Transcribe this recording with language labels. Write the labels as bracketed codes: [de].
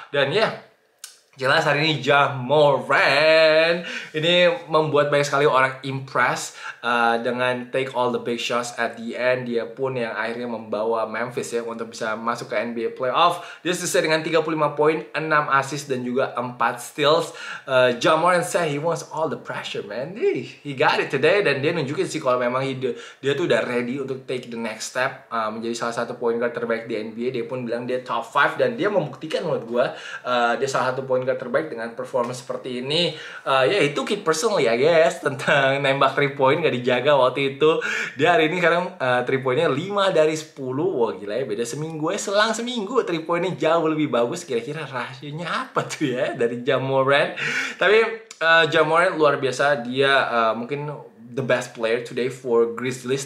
[id] Dan ya, jelas hari ini Ja Morant ini membuat banyak sekali orang impress dengan [en] take all the big shots at the end. [id] Dia pun yang akhirnya membawa Memphis ya untuk bisa masuk ke NBA playoff. Dia selesai dengan 35 poin, 6 assist dan juga 4 steals. [en] Ja Morant said he wants all the pressure, man. He got it today, [id] dan dia nunjukin sih kalau memang dia tuh udah ready untuk [en] take the next step [id] menjadi salah satu point guard terbaik di NBA. Dia pun bilang dia top 5 dan dia membuktikan menurut gue dia salah satu poin gak terbaik dengan performa seperti ini. Ya itu keep personally ya guys, tentang nembak 3 point gak dijaga waktu itu. Dia hari ini sekarang 3 pointnya 5 dari 10. Wah gila ya, beda seminggu ya. Selang seminggu 3 pointnya jauh lebih bagus. Kira-kira rasionya apa tuh ya dari Ja Morant? Tapi Ja Morant luar biasa. Dia mungkin [en] the best player today for Grizzlies.